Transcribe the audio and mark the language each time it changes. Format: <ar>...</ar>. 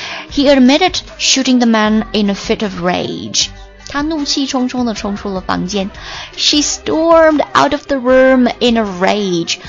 <en>He admitted shooting the man in a fit of rage.</en> <zh>他怒气冲冲地冲出了房间。</zh> <en>She stormed out of the room in a rage.</en>